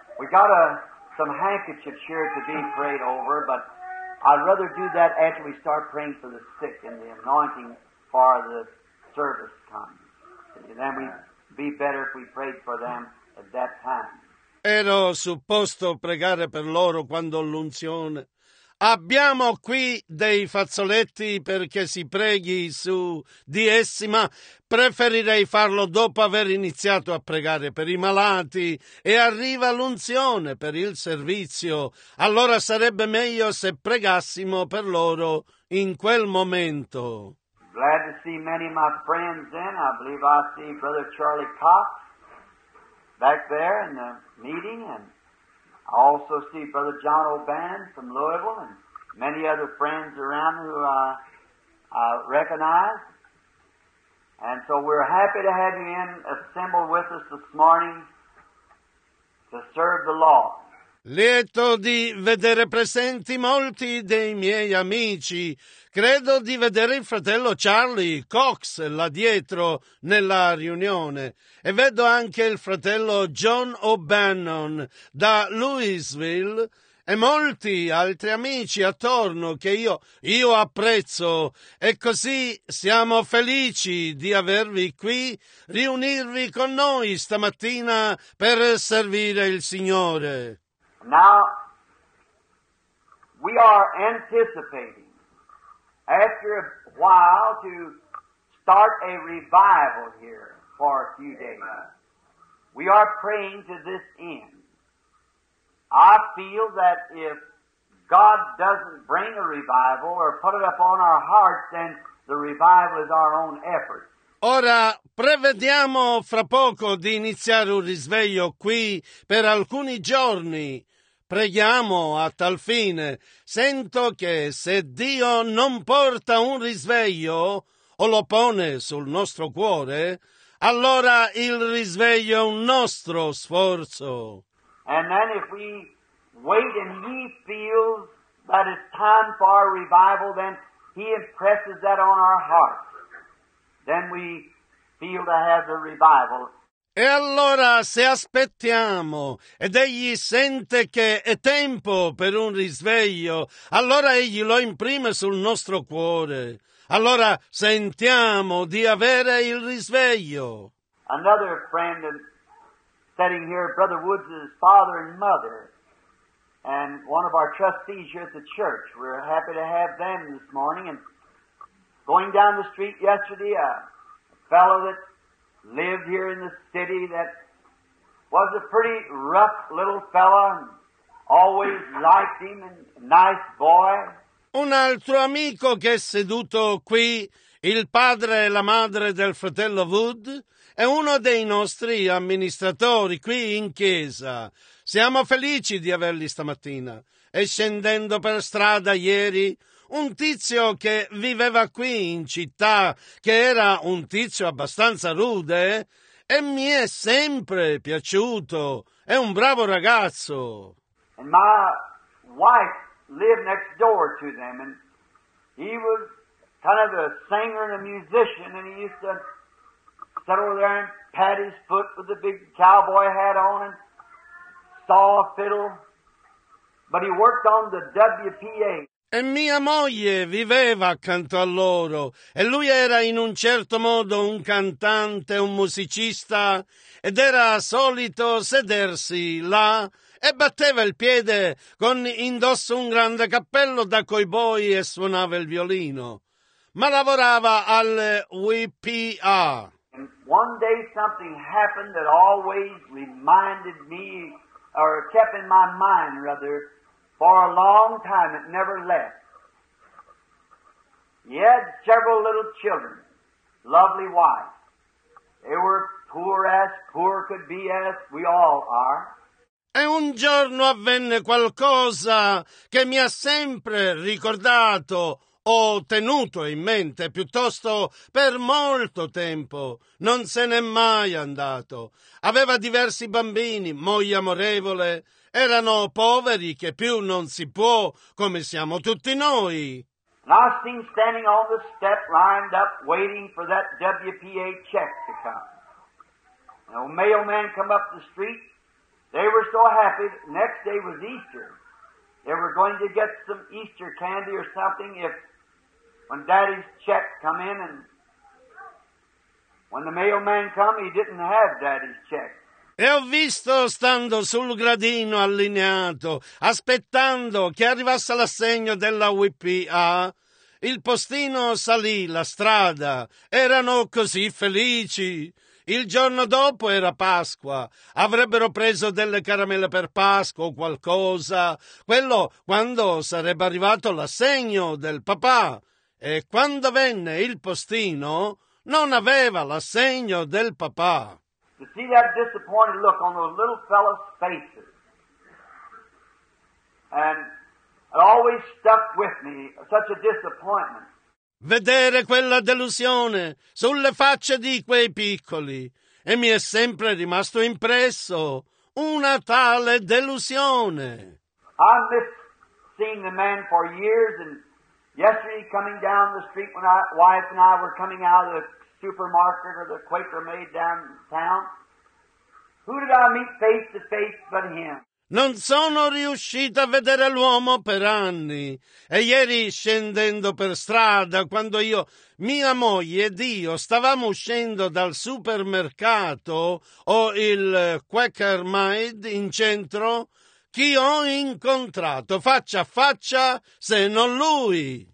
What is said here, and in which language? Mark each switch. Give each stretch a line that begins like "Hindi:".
English: Got some handkerchiefs here to be prayed over, but I'd rather do that after we start praying for the sick and the anointing for the service comes. And then we'd be better if we prayed for them at that time.
Italian: Ero supposto pregare per loro quando l'unzione. Abbiamo qui dei fazzoletti perché si preghi su di essi, ma preferirei farlo dopo aver iniziato a pregare per i malati e arriva l'unzione per il servizio. Allora sarebbe meglio se pregassimo per loro in quel momento.
English: Glad to see many of my friends then. I believe I see Brother Charlie Cox back there in the meeting, and I also see Brother John O'Bann from Louisville and many other friends around who I recognize. And so we're happy to have you in assembled with us this morning to serve the Lord.
Italian: Lieto di vedere presenti molti dei miei amici. Credo di vedere il fratello Charlie Cox là dietro nella riunione. E vedo anche il fratello John O'Bannon da Louisville e molti altri amici attorno che io apprezzo. E così siamo felici di avervi qui, riunirvi con noi stamattina per servire il Signore.
English: Now, we are anticipating, after a while, to start a revival here for a few days. We are praying to this end. I feel that if God doesn't bring a revival or put it upon our hearts, then the revival is our own effort.
Italian: Ora prevediamo fra poco di iniziare un risveglio qui per alcuni giorni. Preghiamo a tal fine. Sento che se Dio non porta un risveglio o lo pone sul nostro cuore, allora il risveglio è un nostro sforzo.
English: And then if we wait and he feels that it's time for our revival, then he impresses that on our hearts. Then we feel to have the revival.
Italian: E allora se aspettiamo ed egli sente che è tempo per un risveglio, allora egli lo imprime sul nostro cuore. Allora sentiamo di avere il risveglio.
English: Another friend sitting here, Brother Woods' father and mother, and one of our trustees here at the church. We're happy to have them this morning. And going down the street yesterday, a fellow that lived here in the city that was a pretty rough little fellow, always liked him, and nice boy.
Italian: Un altro amico che è seduto qui, il padre e la madre del fratello Wood, è uno dei nostri amministratori qui in chiesa. Siamo felici di averli stamattina. E scendendo per strada ieri, un tizio che viveva qui in città, che era un tizio abbastanza rude, e mi è sempre piaciuto. È un bravo ragazzo.
English: And my wife lived next door to them, and he was kind of a singer and a musician, and he used to sit over there and pat his foot with a big cowboy hat on and saw a fiddle. But he worked on the WPA.
Italian: E mia moglie viveva accanto a loro, e lui era in un certo modo un cantante, un musicista, ed era solito sedersi là e batteva il piede con indosso un grande cappello da cowboy e suonava il violino. Ma lavorava al WPA.
English: And one day something happened that always reminded me, or kept in my mind rather, for a long time it never left. He had several little children, lovely wife. They were poor could be as we all are.
Italian: E un giorno avvenne qualcosa che mi ha sempre ricordato o tenuto in mente piuttosto per molto tempo. Non se n'è mai andato. Aveva diversi bambini, moglie amorevole. Erano poveri che più non si può, come siamo tutti noi.
English: And I was seen standing on the step lined up waiting for that WPA check to come. And a mailman come up the street. They were so happy. Next day was Easter. They were going to get some Easter candy or something if when Daddy's check come in. And when the mailman come, he didn't have Daddy's check.
Italian: E ho visto, stando sul gradino allineato, aspettando che arrivasse l'assegno della WPA, il postino salì la strada. Erano così felici. Il giorno dopo era Pasqua, avrebbero preso delle caramelle per Pasqua o qualcosa, quello quando sarebbe arrivato l'assegno del papà. E quando venne il postino, non aveva l'assegno del papà.
English: To see that disappointed look on those little fellows' faces, and it always stuck with me, such a disappointment.
Italian: Vedere quella delusione sulle facce di quei piccoli. E mi è sempre rimasto impresso una tale delusione.
English: I've been seeing the man for years, and yesterday coming down the street when my wife and I were coming out of the supermarket or the Quaker Maid down town, who did I meet face to face but him?
Italian: Non sono riuscito a vedere l'uomo per anni. E ieri, scendendo per strada, quando io, mia moglie ed io, stavamo uscendo dal supermercato o il Quaker Maid in centro, chi ho incontrato faccia a faccia se non lui?